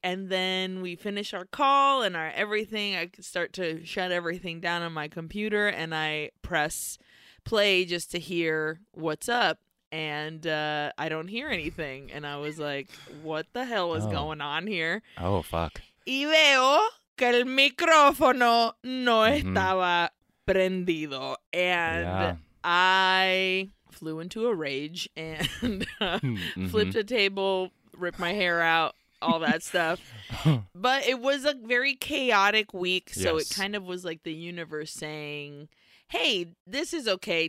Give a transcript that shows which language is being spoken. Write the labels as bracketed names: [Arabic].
[English] And then we finish our call and our everything. I start to shut everything down on my computer, and I press play just to hear what's up, and I don't hear anything. And I was like, what the hell is going on here? Oh, fuck. [Spanish] Y veo que el micrófono no estaba prendido. [English] And I flew into a rage and flipped a table, ripped my hair out, all that stuff. But it was a very chaotic week, so it kind of was like the universe saying, hey, this is okay.